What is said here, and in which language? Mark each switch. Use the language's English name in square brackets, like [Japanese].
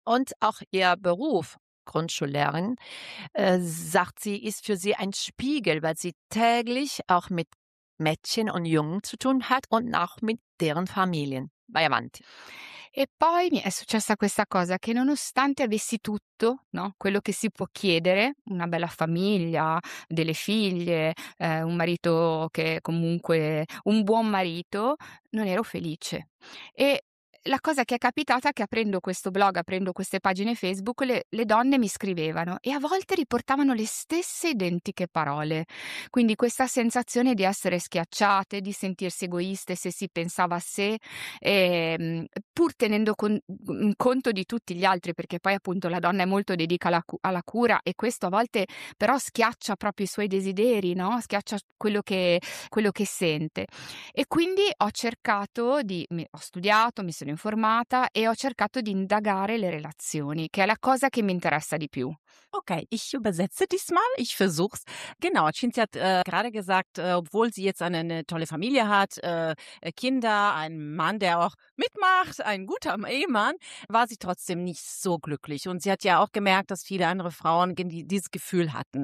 [German] Und auch ihr Beruf, Grundschullehrerin, sagt sie, ist für sie ein Spiegel, weil sie täglich auch mit Mädchen und Jungen zu tun hat und auch mit deren Familien. [Italian] Vai avanti. E poi mi è successa questa cosa, che nonostante avessi tutto, no, quello che si può chiedere, una bella famiglia, delle figlie, un marito che comunque un buon marito, non ero felice. E la cosa che è capitata è che aprendo questo blog, aprendo queste pagine Facebook, le donne mi scrivevano e a volte riportavano le stesse identiche parole. Quindi questa sensazione di essere schiacciate, di sentirsi egoiste se si pensava a sé, e, pur tenendo conto di tutti gli altri, perché poi appunto la donna è molto dedita alla cura e questo a volte però schiaccia proprio i suoi desideri, no? Schiaccia quello che sente. E quindi ho cercato di... ho studiato, mi sono informata e ho cercato di indagare le relazioni, che è la cosa che mi interessa di più. [German] Ok, ich übersetze diesmal, ich versuch's. Genau, Cinzia hat gerade gesagt, obwohl sie jetzt eine tolle Familie hat, Kinder, ein Mann, der auch mitmacht, ein guter Ehemann, war sie trotzdem nicht so glücklich. Und sie hat ja auch gemerkt, dass viele andere Frauen dieses Gefühl hatten.